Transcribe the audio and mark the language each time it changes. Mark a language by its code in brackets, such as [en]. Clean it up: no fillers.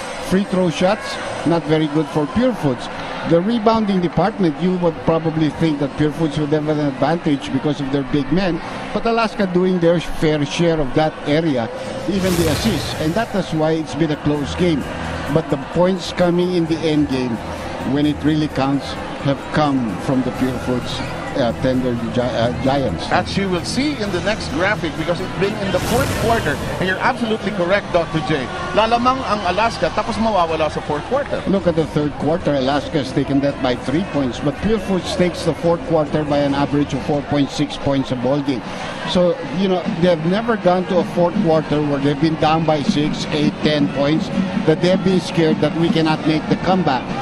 [en] Free throw shots, not very good for Purefoods. The rebounding department, you would probably think that Purefoods would have an advantage because of their big men, but Alaska doing their fair share of that area, even the assists, and that is why it's been a close game. But the points coming in the end game, when it really counts, have come from the Purefoods Giants. As you will see in the next graphic, because it's been in the fourth quarter, and you're absolutely correct, Dr. J. [tl] Lalamang ang Alaska, tapos mawawala sa fourth quarter. [en] Look at the third quarter. Alaska has taken that by 3 points, but Purefoods takes the fourth quarter by an average of 4.6 points a ball game. So, you know, they've never gone to a fourth quarter where they've been down by 6, 8, 10 points, that they've been scared that we cannot make the comeback.